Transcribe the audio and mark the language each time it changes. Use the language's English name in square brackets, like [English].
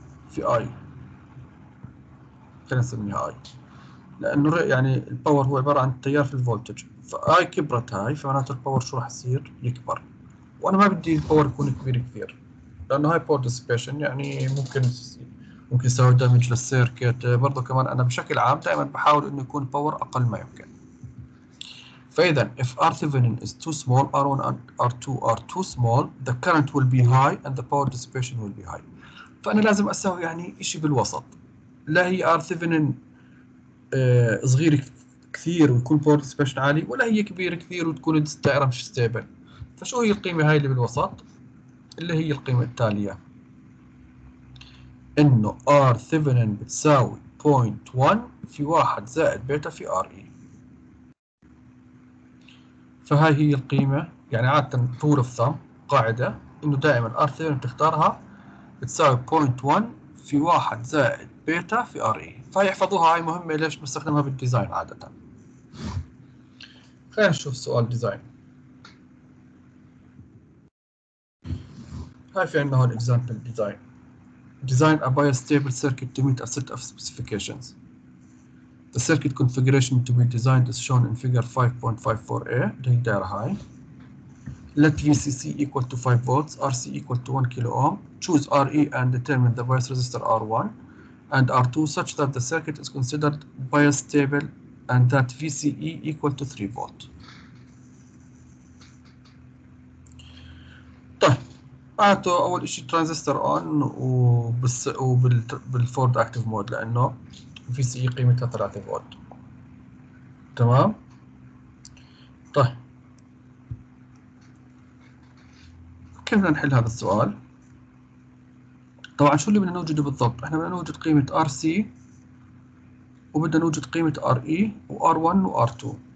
[Arabic] في اي، خلينا نسميها اي، لانه يعني الباور هو عباره عن التيار في الفولتج، فاي كبرت هاي فمعناته الباور شو راح يصير؟ يكبر. وانا ما بدي الباور يكون كبير كثير، لانه هاي باور ديسيبيشن يعني ممكن يسوي دامج للسيركت. برضه كمان انا بشكل عام دائما بحاول انه يكون باور اقل ما يمكن. [English] فاذا if R Thevenin is too small, R1 and R2 are too small, the current will be high and the power dissipation will be high. [Arabic] فانا لازم اسوي يعني شيء بالوسط، لا هي R Thevenin صغير كثير ويكون power dissipation عالي، ولا هي كبير كثير وتكون الدائره مش ستيبل. فشو هي القيمه هاي اللي بالوسط؟ اللي هي القيمه التاليه، انه R Thevenin بتساوي 0.1 في 1 زائد بيتا في RE. فهاي هي القيمة، يعني عادة طول الثم قاعدة انه دائما R Thevenin بتختارها بتساوي 0.1 في 1 زائد بيتا في RE. فهي احفظوها، هاي مهمة ليش بستخدمها بالديزاين عادة. خلينا نشوف سؤال ديزاين. هاي في عندنا هون example ديزاين. [English] Design a bias stable circuit to meet a set of specifications. The circuit configuration to be designed is shown in figure 5.54a. High. Let VCC equal to 5 volts, RC equal to 1 kilo ohm. Choose RE and determine the bias resistor R1 and R2 such that the circuit is considered bias stable and that VCE equal to 3 volts. [Arabic] معناته اول شيء ترانزستور اون وبالفورد اكتف مود، لانه في سي قيمتها 3 فولت، تمام. طيب كيف بدنا نحل هذا السؤال؟ طبعا شو اللي بدنا نوجده بالضبط؟ احنا بدنا نوجد قيمه ار سي وبدنا نوجد قيمه ار اي وار 1 وار 2.